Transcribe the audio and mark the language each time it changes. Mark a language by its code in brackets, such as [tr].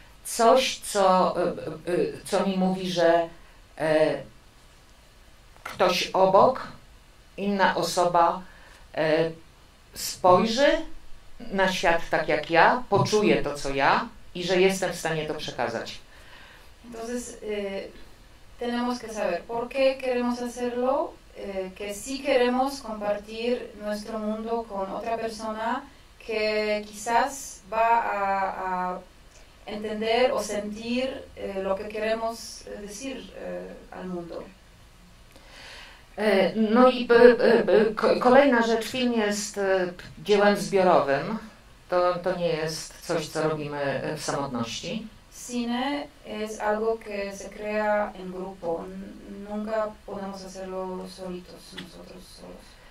[pl] Coś, co mi mówi, że ktoś obok, inna osoba spojrzy na świat tak jak ja, poczuje to, co ja i że jestem w stanie to przekazać. [es] Entonces, tenemos que saber por qué queremos hacerlo, que sí queremos compartir nuestro mundo con otra persona que quizás va a entender o sentir lo que queremos decir al mundo. [pl] No i kolejna rzecz, film jest dziełem zbiorowym. To nie jest coś, co robimy w samotności. [es] Cine es algo que se crea en grupo. Nunca podemos hacerlo solitos, nosotros solos.